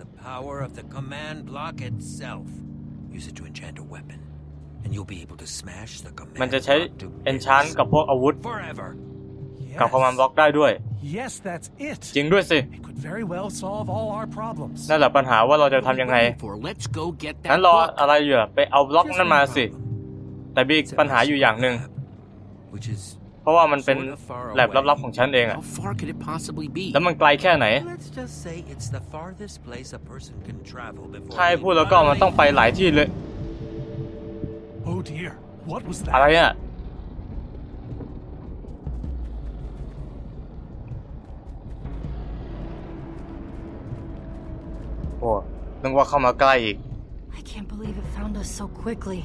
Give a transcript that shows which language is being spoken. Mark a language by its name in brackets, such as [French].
[English] power of the command block itself use it to enchant a weapon and you'll be able to smash the command [Thai] มันจะใช้ enchant กับพวกอาวุธ [English] forever [Thai] กับ command block ได้ด้วย [English] yes that's it [Thai] จริงด้วยสิ [English] it could very well solve all our problems [Thai] นั่นแหละปัญหาว่าเราจะทำยังไง [English] let's go get that [Thai] งั้นรออะไรอยู่ไปเอาล็อกนั้นมาสิแต่มีปัญหาอยู่อย่างนึงเพราะว่ามันเป็นแล็บลับๆของฉันเองอะ [English] How far could it possibly be? [Thai] แล้วมันไกลแค่ไหน [English] Let's just say it's the farthest place a person can travel before [Thai] ถ้าให้พูดแล้วก็มันต้องไปหลายที่เลย [English] Oh dear What was that? [Thai] อะไรอะโอ้นึกว่าเข้ามาใกล้อีก [English] I can't believe it found us so quickly